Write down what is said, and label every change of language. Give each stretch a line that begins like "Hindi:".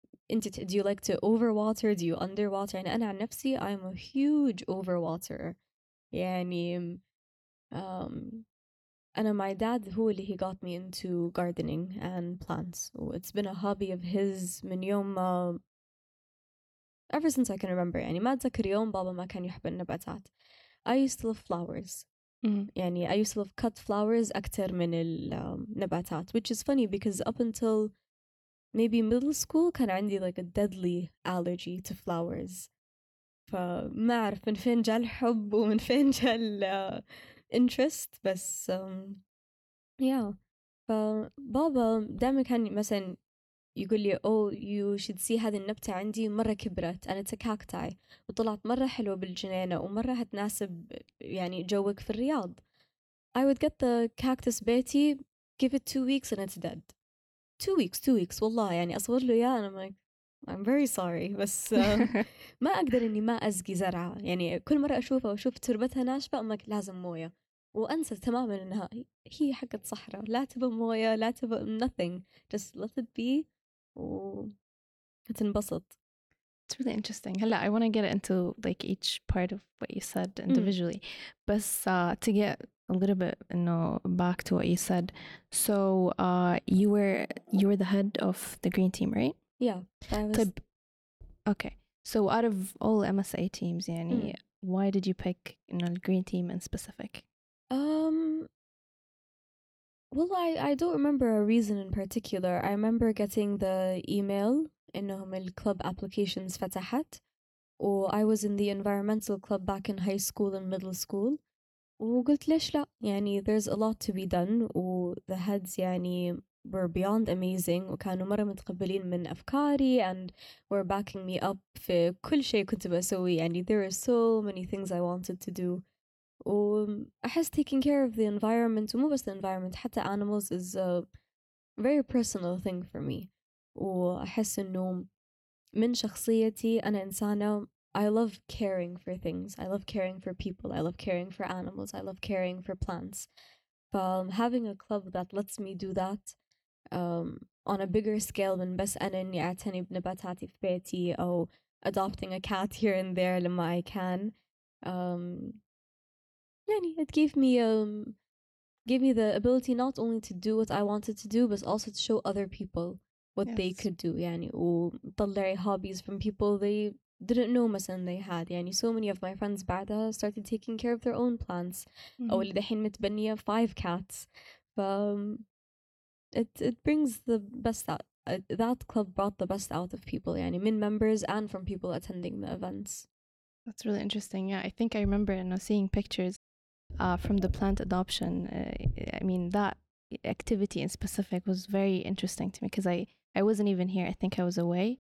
English: Do you like to overwater? Do you underwater?
Arabic: يعني أنا عن نفسي
English: I'm a huge overwaterer.
Arabic: يعني أنا
English: my dad
Arabic: هو اللي
English: he got me into gardening and plants. It's been a hobby of his
Arabic: من يوم
English: ever since I can remember.
Arabic: يعني ما أتذكر يوم بابا ما كان يحب النباتات.
English: I used to love flowers. يعني I used to love cut flowers
Arabic: أكثر من النباتات,
English: which is funny because up until maybe middle school
Arabic: كان عندي
English: like a deadly allergy to flowers.
Arabic: فما أعرف من فين جاء الحب ومن فين جاء interest, بس yeah. فبابا دائما كان مثلا يقول لي
English: oh you should see
Arabic: هذه النبتة عندي مرة كبرت
English: and it's a cacti
Arabic: وطلعت مرة حلوة بالجنينة ومرة هتناسب يعني جوك في الرياض.
English: I would get the cactus بيتي, give it 2 weeks and it's dead. Two weeks
Arabic: والله يعني أصور له إياه
English: and I'm like I'm very sorry,
Arabic: بس ما أقدر إني ما أزقي زرعة. يعني كل مرة أشوفه وأشوف تربتها ناشفة
English: I'm like
Arabic: لازم موية, وأنسى تماماً إنها هي حقة صحراء, لا تبى موية, لا تبى
English: nothing, just let it be
Arabic: وتنبسط.
English: It's really interesting. هلا I want to get into like each part of what you said individually, بس to get a little bit back to what you said. So you were the head of the green team, right? Yeah, I was. Okay, so out of all MSA teams, يعني why did you pick the green team in specific? Well, I don't remember a reason in particular. I remember getting the email
Arabic: إنهم الكلب
English: applications فتحت, or I was in the environmental club back in high school and middle school.
Arabic: وقلت ليش لا, يعني
English: there's a lot to be done,
Arabic: و
English: the heads
Arabic: يعني
English: were beyond amazing
Arabic: وكانوا مرة متقبلين من أفكاري
English: and were backing me up
Arabic: في كل شيء كنت بسوي.
English: يعني there are so many things I wanted to do,
Arabic: وأحس
English: taking care of the environment
Arabic: ومو بس
English: the environment, حتى animals is a very personal thing for me.
Arabic: وأحس إنه من شخصيتي أنا إنسانة
English: I love caring for things. I love caring for people. I love caring for animals. I love caring for plants. Having a club that lets me do that on a bigger scale than
Arabic: بس أنا إني أعتني بنباتاتي في بيتي أو
English: adopting a cat here and there
Arabic: لما
English: I can. يعني it gave me the ability not only to do what I wanted to do but also to show other people what yes. they could do.
Arabic: يعني وطلعي
English: hobbies from people they didn't know مثلا they had. يعني so many of my friends بعدها started taking care of their own plants. Mm-hmm.
Arabic: أو اللي دحين متبنية 5 cats.
English: It brings the best out. That club brought the best out of people.
Arabic: يعني من
English: members and from people attending the events. That's really interesting. Yeah, I think I remember seeing pictures from the plant adoption. I mean, that activity in specific was very interesting to me because I wasn't even here. I think I was away.